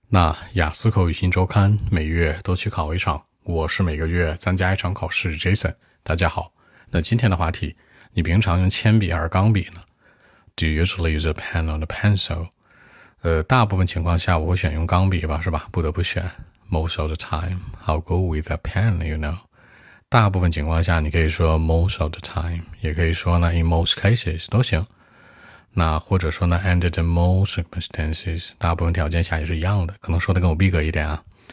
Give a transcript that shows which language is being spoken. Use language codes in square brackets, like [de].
[zh] 那雅思口语新周刊每月都去考一场，我是每个月参加一场考试 Jason。大家好，那今天的话题，你平常用铅笔还是钢笔呢？ [en] Do you usually use a pen or a pencil? [zh] 大部分情况下我会选用钢笔吧，是吧？不得不选。 [en] Most of the time I'll go with a pen, you know。 [zh] 大部分情况下你可以说 [en] most of the time， [zh] 也可以说呢 [en] in most cases [zh] 都行。那或者说呢 [en] under the most circumstances， [zh] 大部分条件下也是一样的，可能说的更有逼格一点啊。